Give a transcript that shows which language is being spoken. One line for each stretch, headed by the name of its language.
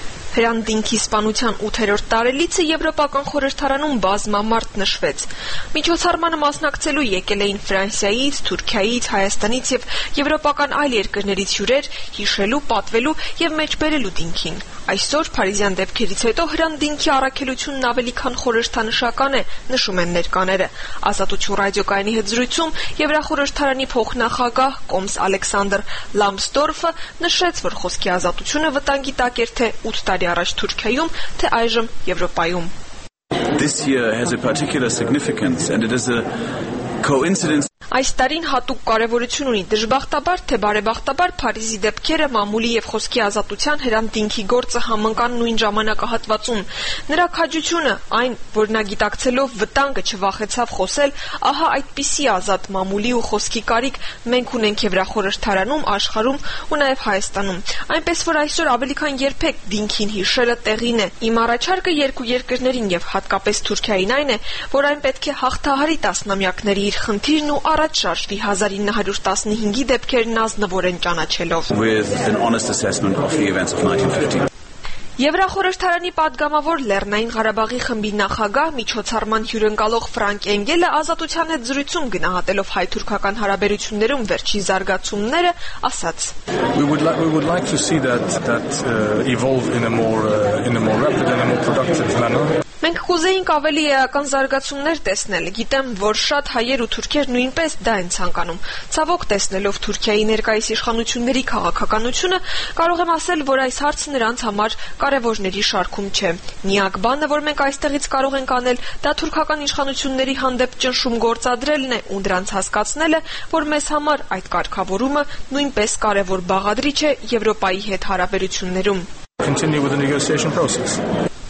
Armenian: Հրանտ Դինքի սպանության 8-րդ տարելիցը Եվրոպական խորհրդարանում բազմամարդ նշվեց։ Միջոցառմանը մասնակցելու եկել էին Ֆրանսիայից, Թուրքիայից, Հայաստանից և Եվրոպական այլ երկրներից հյուրեր, հիշելու, պատվելու և մեջբերելու Դինքին։ Այսօր Փարիզյան դեպքերից հետո Հրանտ Դինքի առաքելությունն ավելի քան խորհրդանշական է, նշում են ներկաները։ Ազատություն ռադիոկայանի հետ զրույցում Եվրախորհրդարանի փոխնախագահ կոմս Ալեքսանդր Լամստորֆը նշեց, որ խոսքի ազատությունը վտանգի տակ էր թե 8 տարի առաջ Թուրքիայում, թե այժմ Եվրոպայում։
English: This year has a particular significance and it is a coincidence.
Armenian: Այս տարին հատուկ կարևորություն ունի, դժբախտաբար թե բարեբախտաբար, Փարիզի դեպքերը մամուլի և խոսքի ազատության Հրանտ Դինքի գործը համընկան նույն ժամանակահատվածում։ Նրա քաջությունը, այն, որ նա գիտակցելով վտանգը չվախեցավ խոսել, ահա այդպիսի ազատ մամուլի ու խոսքի կարիք մենք ունենք Եվրախորհրդարանում, աշխարհում ու նաև Հայաստանում։ Այնպես որ այսօր ավելի քան երբեք Դինքին հիշելը տեղին է։ Իմ առաջարկը երկու երկրներին և հատկապես Թուրքիային այն է, որ այն պետք է հաղթահարի տասնամյակների իր խնդիրն ու առաջ շարժվի 1915-ի դեպքերն ազնվորեն ճանաչելով։ Եվրախորհրդարանի պատգամավոր Լեռնային Ղարաբաղի խմբի նախագահ, միջոցառման հյուրընկալող Ֆրանկ Էնգելը ազատության հետ զրույցում գնահատելով հայ-թուրքական հարաբերություններում վերջին զարգացումները ասաց.
English: We would like to see that evolve in a more rapid and a more productive manner.
Armenian: Մենք կուզեինք ավելի էական զարգացումներ տեսնել, գիտեմ, որ շատ հայեր ու թուրքեր նույնպես դա են ցանկանում։ Ցավոք տեսնելով Թուրքիայի ներկայիս իշխանությունների քաղաքականությունը, կարող եմ ասել, որ այս հարցը նրանց համար կարևորների շարքում չէ։ Միակ բանը, որ մենք այստեղից կարող ենք անել, դա թուրքական իշխանությունների հանդեպ ճնշում գործադրելն է ու դրանց հասկացնելը, որ մեզ համար այդ կարգավորումը նույնպես կարևոր բաղադրիչ է Եվրոպայի հետ հարաբերություններում։